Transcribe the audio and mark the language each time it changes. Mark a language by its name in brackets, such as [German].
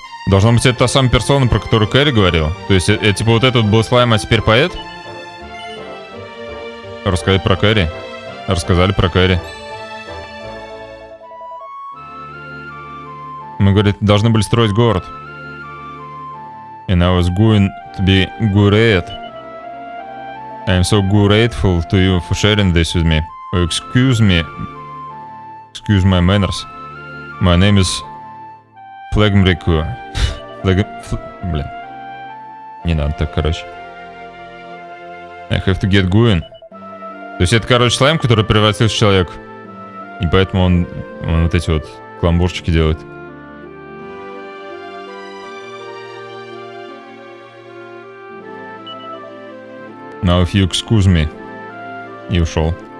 [Russian] Должно быть, это та самая персона, про которую Кэрри говорил. То есть, это типа вот этот был слайм, а теперь поэт? Рассказали про Кэрри. Рассказали про Кэрри. Мы, говорит, должны были строить город. [English] And I was going to be great. I am so grateful to you for sharing this with me. Excuse me. Excuse my manners. My name is Flegmriku. [Russian] Блин. Не надо так, короче. [English] I have to get going. [Russian] То есть это, короче, слайм, который превратился в человек. И поэтому он вот эти вот кламбурчики делает. [English] Now if you excuse me. [Russian] И ушел.